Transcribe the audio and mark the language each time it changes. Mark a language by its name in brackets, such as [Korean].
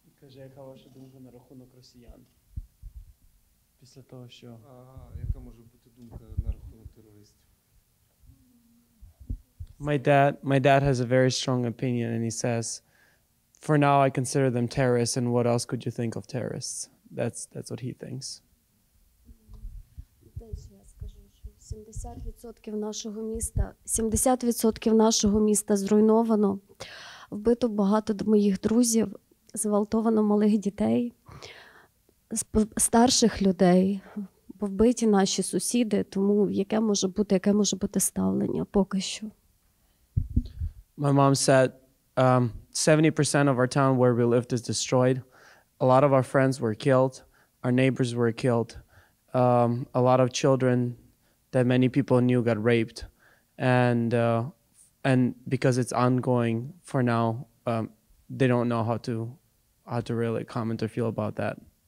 [Ukrainian] Яка ваша думка на рахунок росіян після того, що... Яка може бути думка на рахунок терористів? [English] My dad has a very strong opinion, and he says, for now I consider them terrorists, and what else could you think of terrorists? That's what he thinks. [Ukrainian] Я скажу, що 70% нашого міста, 70% нашого міста зруйновано, вбито багато моїх друзів, зґвалтовано малих дітей, старших людей, вбиті наші сусіди, тому яке може бути ставлення поки що? [English] My mom said 70% of our town where we lived is destroyed. A lot of our friends were killed, our neighbors were killed. A lot of children that many people knew got raped. And because it's ongoing for now, they don't know how to really comment or feel about that.